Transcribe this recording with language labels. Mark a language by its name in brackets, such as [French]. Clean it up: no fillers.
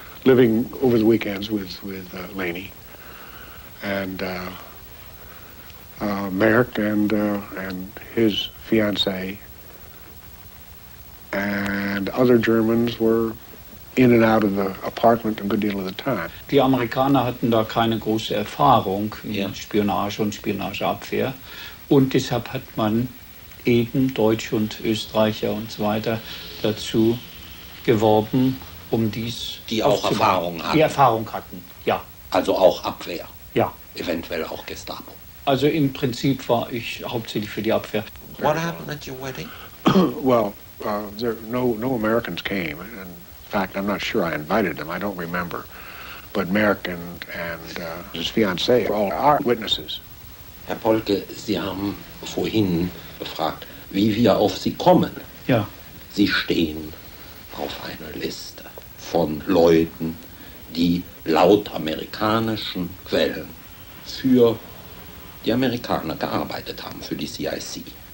[English] Living over the weekends with Laney and Merck and his fiancée and other Germans were in and out of the apartment a good deal of the time. [German] Die Amerikaner hatten da keine große Erfahrung in Spionage und Spionageabwehr und deshalb hat man eben Deutsche und Österreicher und so weiter dazu geworben, um dies... Die auch Erfahrung hatten. Die Erfahrung hatten, ja. Also auch Abwehr. Ja. Eventuell auch Gestapo. Also im Prinzip war ich hauptsächlich für die Abwehr. [English] What happened at your wedding? Well, no Americans came. In fact, I'm not sure I invited them. I don't remember. But Merck and his fiancée were all our witnesses. [German] Herr Polke, Sie haben vorhin gefragt, wie wir auf Sie kommen. Ja. Sie stehen auf einer Liste von Leuten, die laut amerikanischen Quellen für die Amerikaner gearbeitet haben, für die CIC.